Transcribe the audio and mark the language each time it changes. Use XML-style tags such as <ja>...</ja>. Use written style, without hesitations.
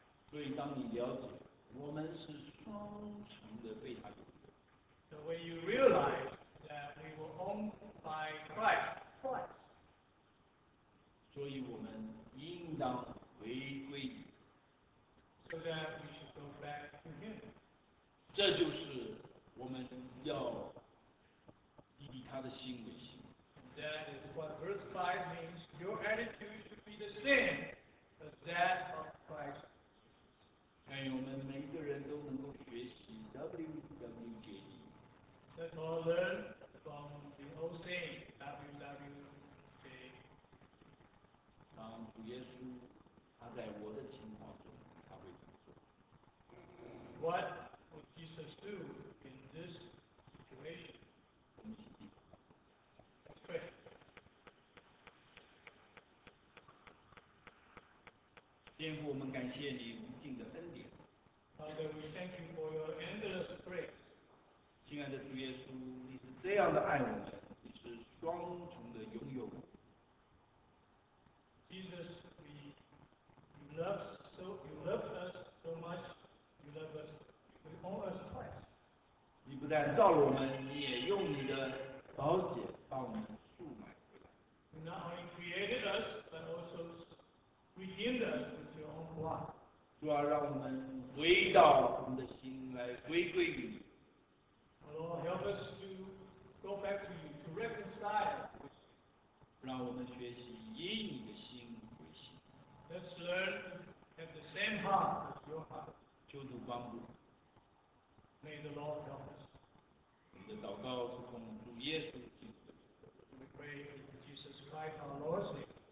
<zh>所以当你了解我们是双重的被他拥有。</zh> <en>So when you realize that we were owned by Christ twice.</en> <zh>所以我们应当回归。</zh> <en>So that we should go back to him.</en> <zh>这就是我们要以他的心为心。</zh> <en>That is what verse 5 means. Your attitude should be the same. That of Christ.</en> <zh>愿我们每一个人都能够学习 WWJD.</zh> <en>Let's all learn from the old saying WWJD.</en> <zh>当主耶稣他在我的情况中，他会怎么做</zh> <en>？What would Jesus do in this situation?</en> <zh>我们一起祷告。</zh> <en>Let's pray.</en> <zh>天父，我们感谢你无尽的恩典。</zh> <en>Father, we thank you for your endless grace.</en> <zh>亲爱的主耶稣，你是这样的爱我们，你是双重的拥有。</zh> <en>Jesus, you love us so much. You love us. You owe us twice.</en> <zh>你不但造了我们，你也用你的宝血把我们赎买回来。</zh> <en>You not only created us, but also redeemed us with your own blood.</en> <zh>主啊，让我们回到我们的心来归归于你。</zh> <en>Lord, help us to go back to you to reconcile.</en> <zh>让我们学习以你的心为心。</zh> <en>Let's learn to have the same heart as your heart.</en> <zh>求主帮助。</zh> <en>May the Lord help us.</en> <zh>我们的祷告是奉主耶稣基督的名。</zh> <en>We pray in Jesus Christ, our Lord's name.</en>